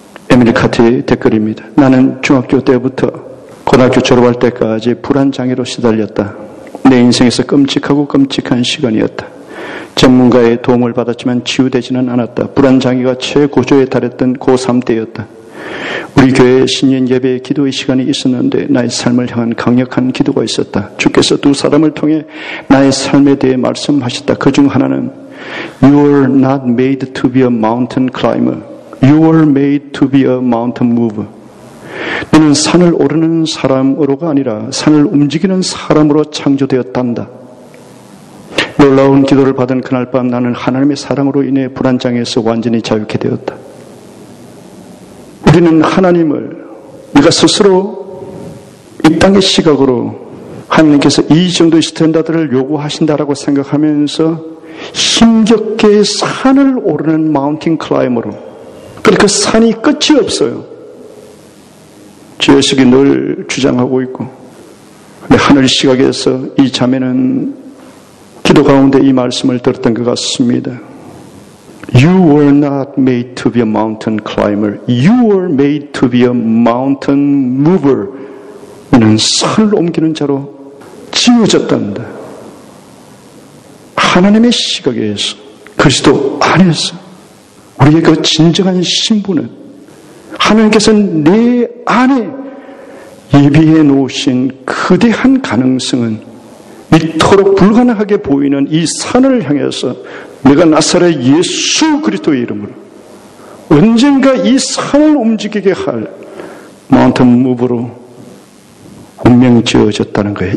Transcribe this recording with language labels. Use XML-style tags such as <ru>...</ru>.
<ko>에밀리 카트의 댓글입니다. 나는 중학교 때부터 고등학교 졸업할 때까지 불안장애로 시달렸다. 내 인생에서 끔찍하고 끔찍한 시간이었다. 전문가의 도움을 받았지만 치유되지는 않았다. 불안장애가 최고조에 달했던 고3때였다. 우리 교회 신년 예배의 기도의 시간이 있었는데 나의 삶을 향한 강력한 기도가 있었다. 주께서 두 사람을 통해 나의 삶에 대해 말씀하셨다. 그중 하나는</ko> <en>You are not made to be a mountain climber. You are made to be a mountain mover.</en> <ko>너는 산을 오르는 사람으로가 아니라 산을 움직이는 사람으로 창조되었단다. 놀라운 기도를 받은 그날 밤 나는 하나님의 사랑으로 인해 불안장애에서 완전히 자유케 되었다. 우리는 하나님을 우리가 스스로 이 땅의 시각으로 하나님께서 이 정도의 스탠다드를 요구하신다라고 생각하면서 힘겹게 산을 오르는 마운틴 클라이머로 그러니까 산이 끝이 없어요. 죄의식이 늘 주장하고 있고 하늘 시각에서 이 자매는 기도 가운데 이 말씀을 들었던 것 같습니다.</ko> <en>You were not made to be a mountain climber. You were made to be a mountain mover.</en> <ko>너는 산을 옮기는 자로 지어졌단다. 하나님의 시각에서 그리스도 안에서 우리의 그 진정한 신분은 하나님께서 내 안에 예비해 놓으신 거대한 가능성은 이토록 불가능하게 보이는 이 산을 향해서 내가 나사렛 예수 그리스도의 이름으로 언젠가 이 산을 움직이게 할 마운틴 무브로 운명 지어졌다는 거예요.</ko>